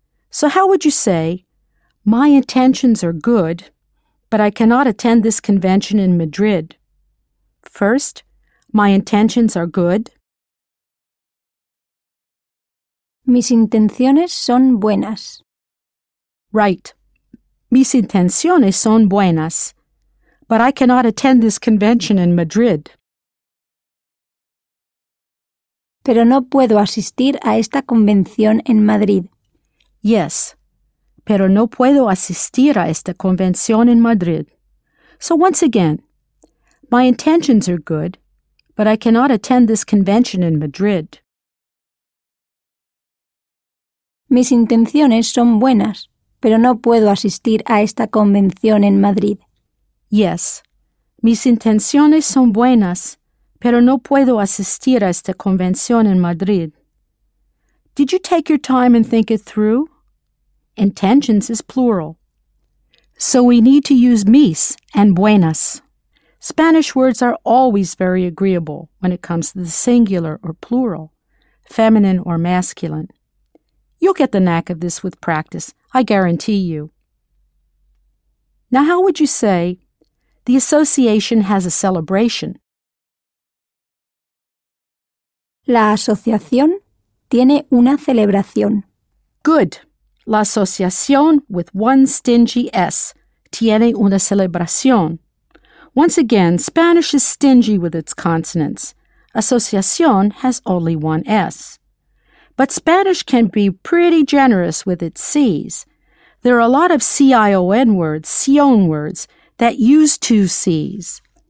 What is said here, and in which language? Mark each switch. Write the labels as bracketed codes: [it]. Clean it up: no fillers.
[en] So how would you say, my intentions are good, but I cannot attend this convention in Madrid? First, my intentions are good. [es] Mis intenciones son buenas. [en] Right. [es] Mis intenciones son buenas, [en] but I cannot attend this convention in Madrid. [es] Pero no puedo asistir a esta convención en Madrid. [en] Yes. [es] pero no puedo asistir a esta convención en Madrid. [en] So once again, my intentions are good, but I cannot attend this convention in Madrid. [es] Mis intenciones son buenas, pero no puedo asistir a esta convención en Madrid. Yes, mis intenciones son buenas, pero no puedo asistir a esta convención en Madrid. [en] Did you take your time and think it through? Intentions is plural. So we need to use mis and buenas. Spanish words are always very agreeable when it comes to the singular or plural, feminine or masculine. You'll get the knack of this with practice, I guarantee you. Now, how would you say, the association has a celebration? [es] La asociación tiene una celebración. [en] Good. [es] La asociación, [en] with one stingy S, [es] tiene una celebración. [en] Once again, Spanish is stingy with its consonants. Asociación has only one S. But Spanish can be pretty generous with its C's. There are a lot of C-I-O-N words that use two C's.